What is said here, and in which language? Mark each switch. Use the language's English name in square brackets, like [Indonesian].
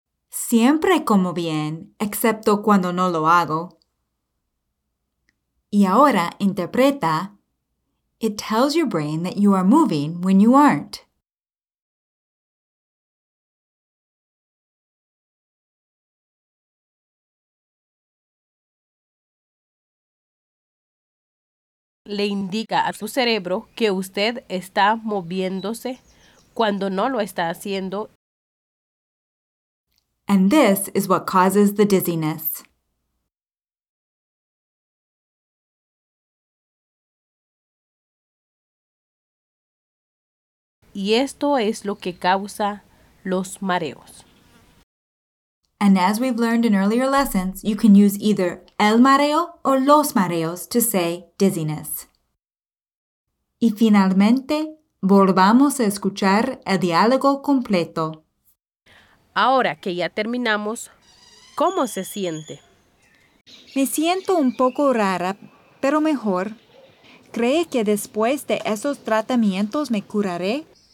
[Spanish] Siempre como bien, excepto cuando no lo hago. Y ahora interpreta, [English] it tells your brain that you are moving when you aren't. [Spanish] Le indica a su cerebro que usted está moviéndose cuando no lo está haciendo. [English] And this is what causes the dizziness. [Spanish] Y esto es lo que causa los mareos. [English] And as we've learned in earlier lessons, you can use either [Spanish] el mareo [English] or [Spanish] los mareos [English] to say dizziness. [Spanish] Y finalmente, volvamos a escuchar el diálogo completo. Ahora que ya terminamos, ¿cómo se siente? Me siento un poco rara, pero mejor. ¿Cree que después de esos tratamientos me curaré?